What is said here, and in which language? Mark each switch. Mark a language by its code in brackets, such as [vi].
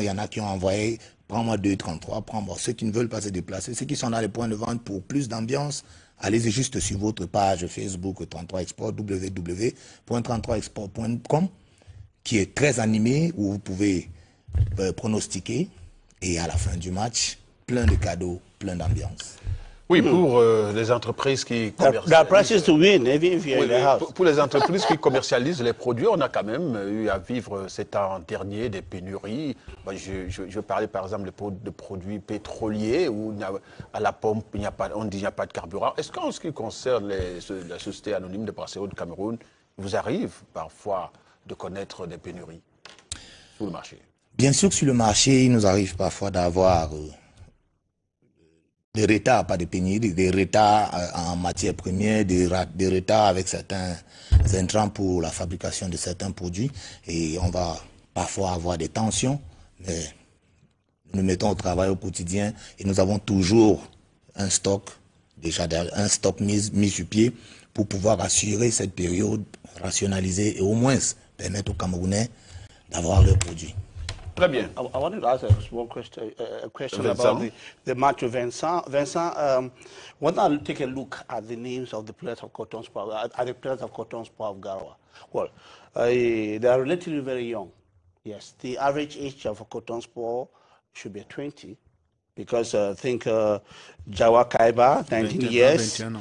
[fr] Il y en a qui ont envoyé, prends-moi 2, 33, prends-moi. Ceux qui ne veulent pas se déplacer, ceux qui sont dans les points de vente pour plus d'ambiance, allez-y juste sur votre page Facebook 33export, www.33export.com, qui est très animé, où vous pouvez pronostiquer. Et à la fin du match, plein de cadeaux, plein d'ambiance. Oui, pour les entreprises qui commercialisent. [en] The price is to win, even if you're in the house. [fr] Pour les entreprises qui commercialisent les produits, on a quand même eu à vivre ces temps derniers des pénuries. Ben, je parlais par exemple de produits pétroliers où à la pompe, il n'y a pas de carburant. Est-ce qu'en ce qui concerne la société anonyme de Brasserie du Cameroun, vous arrive parfois de connaître des pénuries sur le marché? Bien sûr que sur le marché, il nous arrive parfois d'avoir des retards, pas des pénuries, des retards en matière première, des retards avec certains intrants pour la fabrication de certains produits. Et on va parfois avoir des tensions, mais nous nous mettons au travail au quotidien et nous avons toujours un stock, déjà un stock mis sur pied pour pouvoir assurer cette période, rationaliser et au moins permettre aux Camerounais d'avoir leurs produits. [en] I wanted to ask a small question, about the match of Vincent. Vincent, when I take a look at the names of the players of Cotonou, at the players of Cotonou of Garoua, well, they are relatively very young. Yes, the average age of a Cotonou should be 20, because think Jawa Kaiba, 19 years.